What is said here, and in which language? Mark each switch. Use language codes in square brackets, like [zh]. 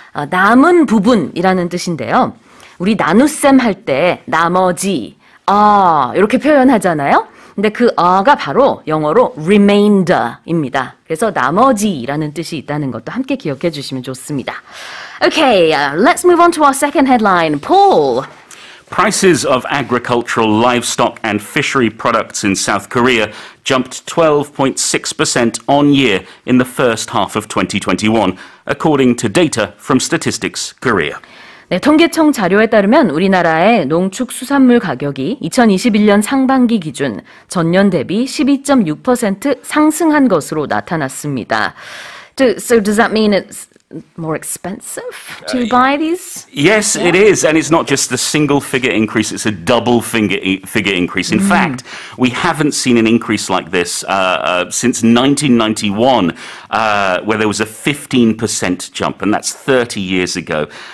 [ko] 남은 부분이라는 뜻인데요. 우리 나눗셈 할 때 나머지, 이렇게 표현하잖아요. 근데 그 어가 바로 영어로 remainder입니다. 그래서 나머지라는 뜻이 있다는 것도 함께 기억해 주시면 좋습니다. [en] Okay, let's move on to our second headline. Paul. Prices of agricultural livestock and fishery products in South Korea jumped 12.6% on year in the first half of 2021, according to data from Statistics Korea. [ko] 네, 통계청 자료에 따르면 우리나라의 농축수산물 가격이 2021년 상반기 기준 전년 대비 12.6% 상승한 것으로 나타났습니다. [en] So does that mean it's more expensive to buy these? Yes, it is. And it's not just a single figure increase, it's a double figure increase. In fact, we haven't seen an increase like this since 1991, where there was a 15% jump, and that's 30 years ago.